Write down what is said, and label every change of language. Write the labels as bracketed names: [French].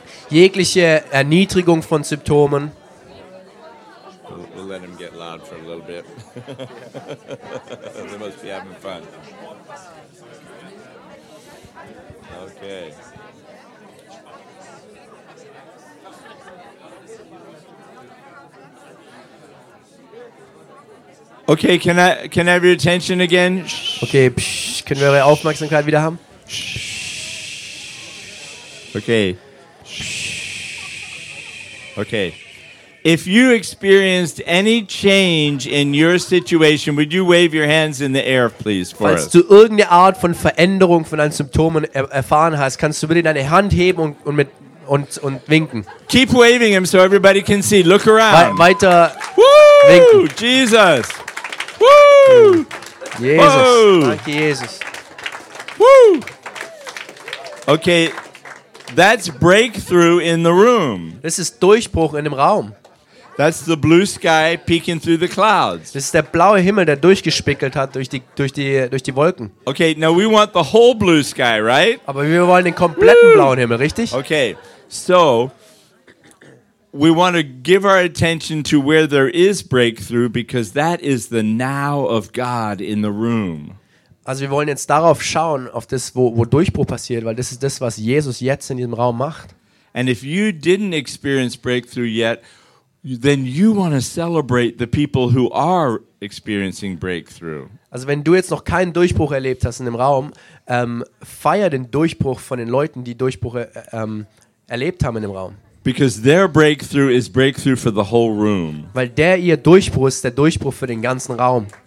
[German] Jegliche Erniedrigung von Symptomen. [English] We'll let him get loud for a little bit. They must be having fun. Okay. Okay, can I have your attention again? [German] Okay, können wir eure Aufmerksamkeit wieder haben? [English] Okay. Okay. If you experienced any change in your situation, would you wave your hands in the air, please, for us? [German] Falls du irgendeine Art von Veränderung von deinen Symptomen erfahren hast, kannst du bitte deine Hand heben und winken. [English] Keep waving him so everybody can see. Look around. [German] Weiter. Woo! Winken. Jesus. Woo! Jesus. Danke, Jesus. [English] Woo! Okay. That's breakthrough in the room. [German] Das ist Durchbruch in dem Raum. [English] That's the blue sky peeking through the clouds. [German] Das ist der blaue Himmel, der durchgespickelt hat durch die Wolken. [English] Okay, now we want the whole blue sky, right? [German] Aber wir wollen den kompletten Woo! Blauen Himmel, richtig? [English] Okay. So we want to give our attention to where there is breakthrough because that is the now of God in the room. [German] Also wir wollen jetzt darauf schauen, auf das, wo Durchbruch passiert, weil das ist das, was Jesus jetzt in diesem Raum macht. [English] And if you didn't experience breakthrough yet, then you want to celebrate the people who are experiencing breakthrough. [German] Also wenn du jetzt noch keinen Durchbruch erlebt hast in dem Raum, feier den Durchbruch von den Leuten, die Durchbrüche erlebt haben in dem Raum. [English] Because their breakthrough is breakthrough for the whole room. [German] Weil der ihr Durchbruch ist der Durchbruch für den ganzen Raum.